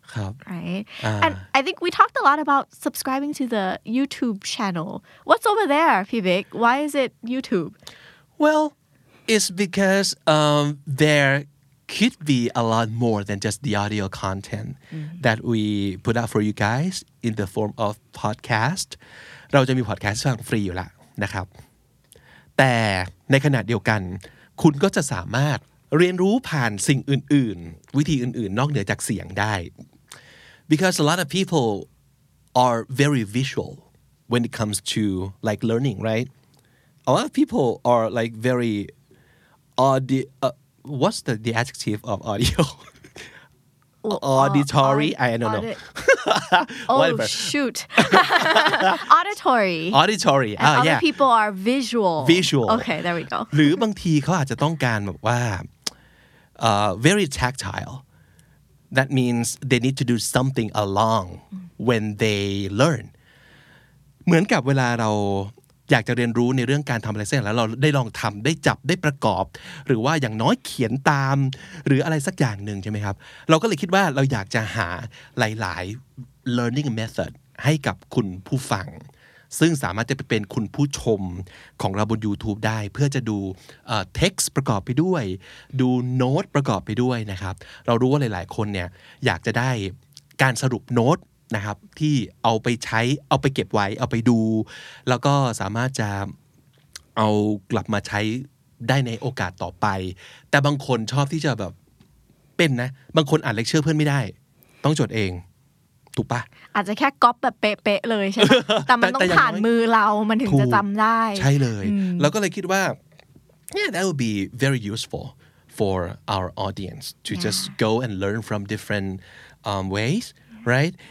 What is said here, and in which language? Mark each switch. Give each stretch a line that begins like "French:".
English: And I think we talked a lot about subscribing to the YouTube channel. What's over there, Pivik? Why is it YouTube? Well, it's because they're... could be a lot more than just the audio content that we put out for you guys in the form of podcast.
Thai: เราจะมีพอดแคสต์ฟังฟรีอยู่แล้วนะครับแต่ในขณะเดียวกันคุณก็จะสามารถเรียนรู้ผ่านสิ่งอื่นๆวิธีอื่นๆนอกเหนือจากเสียงได้
English: because a lot of people are very visual when it comes to like learning right a lot of people are like very audio What's the adjective of audio? Auditory? I don't know. Oh, shoot. Auditory. Auditory. And other people are visual. Visual. Okay, there we go.
Thai: หรือบางทีเขาอาจจะต้องการแบบว่า very tactile.
English: That means they need to do something along when they learn.
Thai: เหมือนกับเวลาเราอยากจะเรียนรู้ในเรื่องการทำอะไรเสร็จแล้วเราได้ลองทำได้จับได้ประกอบหรือว่าอย่างน้อยเขียนตามหรืออะไรสักอย่างหนึ่งใช่ไหมครับเราก็เลยคิดว่าเราอยากจะหาหลายๆ learning method ให้กับคุณผู้ฟังซึ่งสามารถจะไปเป็นคุณผู้ชมของเราบน YouTube ได้เพื่อจะดู text ประกอบไปด้วยดูโน้ตประกอบไปด้วยนะครับเรารู้ว่าหลายๆคนเนี่ยอยากจะได้การสรุปโน้ตนะครับที่เอาไปใช้เอาไปเก็บไว้เอาไปดูแล้วก็สามารถจะเอากลับมาใช้ได้ในโอกาสต่อไปแต่บางคนชอบที่จะแบบเป็นนะบางคนอ่านเลคเชอร์เพื่อนไม่ได้ต้องจดเองถูกปะ อาจจะแค่ก๊อปแบบเป๊ะๆ เลยใช่ไหม แต่มันต้องผ่านมือเรามันถึงจะจำได้ ใช่เลยแล้วก็เลยคิดว่า
English: yeah that would be very useful for our audience to just go and learn from different waysRight?